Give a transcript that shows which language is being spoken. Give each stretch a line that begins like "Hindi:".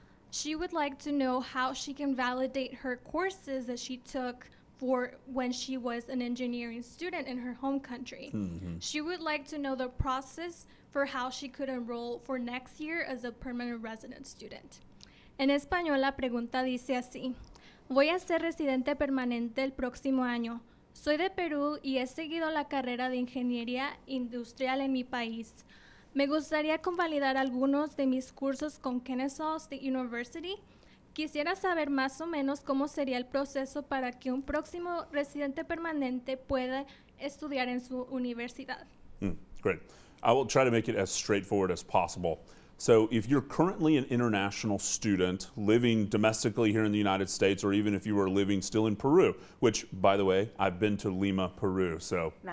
English: She would like to know how she can validate her courses that she took for when she was an engineering student in her home country. Mm-hmm. She would like to know the process for how she could enroll for next year as a permanent resident student.
Spanish: En español, la pregunta dice así. Voy a ser residente permanente el próximo año. Soy de Perú y he seguido la carrera de ingeniería industrial en mi país. Me gustaría convalidar algunos de mis cursos con Kennesaw State University. Quisiera saber más o menos cómo sería el proceso para que un próximo residente permanente pueda estudiar en su universidad.
English: Great. I will try to make it as straightforward as possible. So if you're currently an international student living domestically here in the United States, or even if you were living still in Peru, which, by the way, I've been to Lima, Peru, so nice.